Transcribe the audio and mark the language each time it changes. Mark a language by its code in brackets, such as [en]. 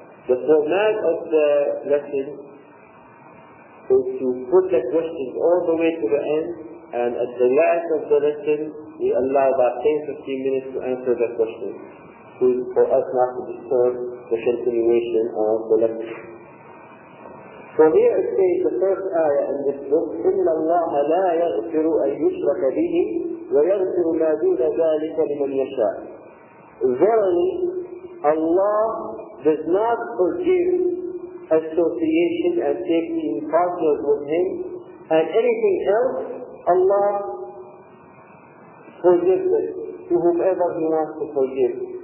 [en] The format of the lesson is to put the questions all the way to the end, and at the last of the lesson, we allow about 10-15 minutes to answer the questions, to, for us not to disturb the continuation of the lecture. So here it says the first ayah in this book, [ar] إِنَّ اللَّهَ لَا يَغْفِرُ أَن يُشْرَكَ بِهِ وَيَغْفِرُ مَا دُونَ ذَلِكَ لِمَنْ يَشَاءُ. [en] Verily, Allah does not forgive association and taking partners with him, and anything else, Allah forgives it to whomever he wants to forgive.